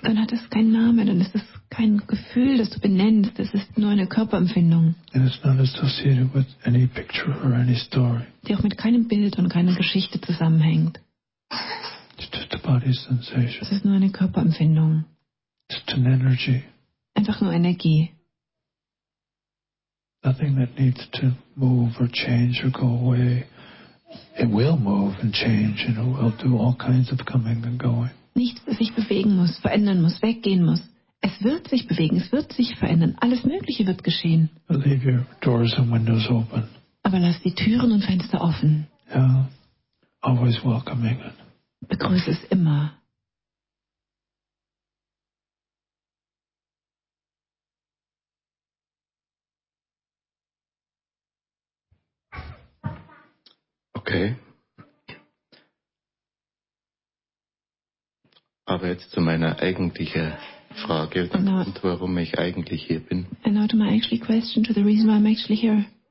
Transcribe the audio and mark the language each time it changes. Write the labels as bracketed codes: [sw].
[de] Dann hat es keinen Namen. Dann ist es kein Gefühl, das du benennst. Es ist nur eine Körperempfindung. [en] And it's not associated with any picture or any story. [de] Die auch mit keinem Bild und keiner Geschichte zusammenhängt. [en] It's just a body sensation. [de] Es ist nur eine Körperempfindung. [en] It's just an energy. [de] Einfach nur Energie. [en] Nothing that needs to move or change or go away. It will move and change, and it will do all kinds of coming and going. [de] Nichts, das sich bewegen muss, verändern muss, weggehen muss. Es wird sich bewegen, es wird sich verändern. Alles Mögliche wird geschehen. [en] But leave your doors and windows open. [de] Aber lass die Türen und Fenster offen. [en] Yeah, always welcoming it. [de] Begrüße es immer. [en] Okay. [de] Aber jetzt zu meiner eigentlichen Frage und warum ich eigentlich hier bin. [en] And now to my actually question, to the reason why I'm actually here.